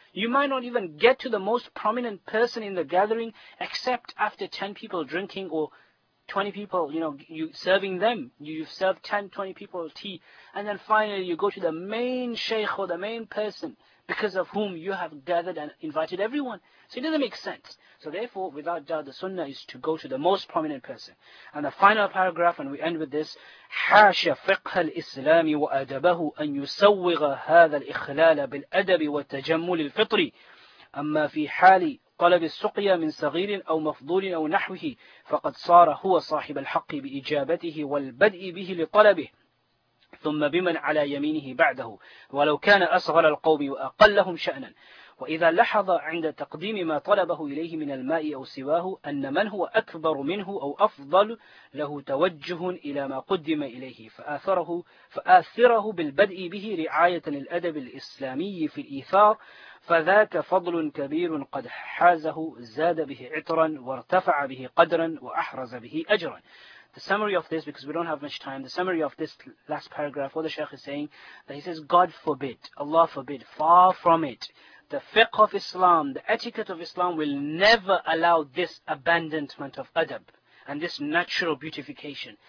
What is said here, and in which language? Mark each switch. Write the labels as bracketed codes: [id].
[en] You might not even get to the most prominent person in the gathering except after 10 people drinking or 20 people, you know, you serving them. You serve 10, 20 people tea. And then finally you go to the main sheikh or the main person because of whom you have gathered and invited everyone. So it doesn't make sense. So therefore, without doubt, the sunnah is to go to the most prominent person. And the final paragraph, and we end with this, [ar] حَاشَ فِقْهَ الْإِسْلَامِ وَأَدَبَهُ أَنْ يُسَوِّغَ هَذَا الْإِخْلَالَ بِالْأَدَبِ وَالتَّجَمُّلِ الْفِطْرِ أَمَّا فِي حَالِ طلب السقيا من صغير أو مفضول أو نحوه فقد صار هو صاحب الحق بإجابته والبدء به لطلبه ثم بمن على يمينه بعده ولو كان أصغر القوم وأقلهم شأنا وإذا لاحظ عند تقديم ما طلبه إليه من الماء أو سواه أن من هو أكبر منه أو أفضل له توجه إلى ما قدم إليه فآثره بالبدء به رعاية للأدب الإسلامي في الإيثار فذاك فضل كبير قد حازه زاد به عطرا وارتفع به قدرا وأحرز به أجرا. [en] The summary of this, because we don't have much time, the summary of this last paragraph, what the Sheikh is saying, that he says, God forbid, Allah forbid, far from it, the fiqh of Islam, the etiquette of Islam will never allow this abandonment of adab and this natural beautification.